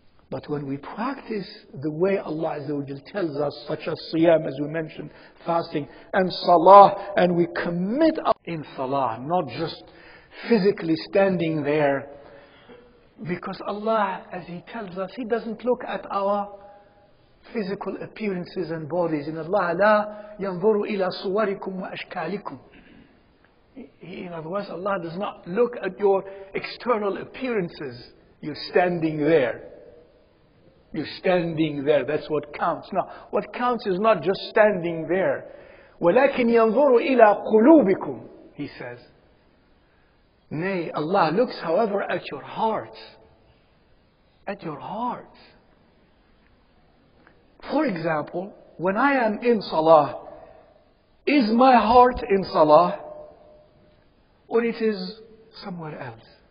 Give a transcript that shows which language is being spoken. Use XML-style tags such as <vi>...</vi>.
<en>But when we practice the way Allah Azza wa Jalla tells us, such as siyam, as we mentioned, fasting, and salah, and we commit up in salah, not just physically standing there, because Allah, as He tells us, He doesn't look at our physical appearances and bodies. In Allah,</en> <ar>لا ينظروا إلى صوركم وأشكالكم.</ar> <en>In other words, Allah does not look at your external appearances. You're standing there. You're standing there. That's what counts. Now, what counts is not just standing there.</en> <ar>وَلَكِنْ يَنْظُرُ إِلَىٰ قُلُوبِكُمْ</ar> <en>He says. Nay, Allah looks, however, at your heart. At your heart. For example, when I am in salah, is my heart in salah? Or it is somewhere else?</en>